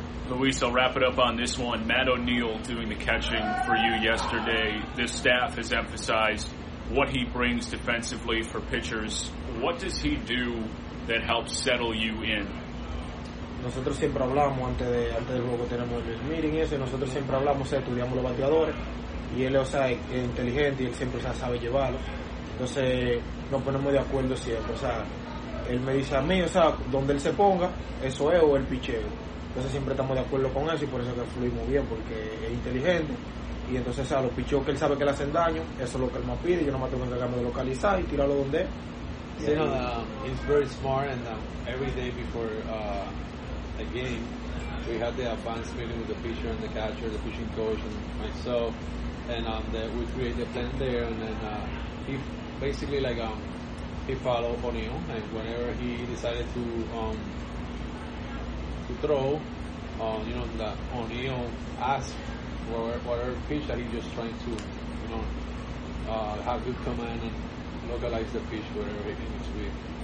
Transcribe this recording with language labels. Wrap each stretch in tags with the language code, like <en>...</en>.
<en>Luis, I'll wrap it up on this one. Matt O'Neill doing the catching for you yesterday. This staff has emphasized what he brings defensively for pitchers. What does he do that helps settle you in?</en> <es>Nosotros siempre hablamos antes del juego, tenemos el meeting y eso, y nosotros siempre hablamos, o sea, estudiamos los bateadores, y él, o sea, es inteligente y él siempre, o sea, sabe llevarlo. Entonces nos ponemos de acuerdo siempre, o sea, él me dice a mí, o sea, donde él se ponga, eso es, o el picheo. Entonces siempre estamos de acuerdo con eso, y por eso que fluimos bien, porque es inteligente. Y entonces, o sea, los picheos que él sabe que le hacen daño, eso es lo que él me pide. Yo nomás tengo que encargarme de localizar y tirarlo donde es.</es> <en>Yeah. You know, he's very smart, and every day before a game, we had the advanced meeting with the pitcher and the catcher, the pitching coach, and myself, and we created a plan there. And then he basically, like, he followed O'Neill, and whenever he decided to throw, you know, that O'Neill asked whatever pitch, that he just trying to, you know, have good command and localize the pitch wherever he needs to be.</en>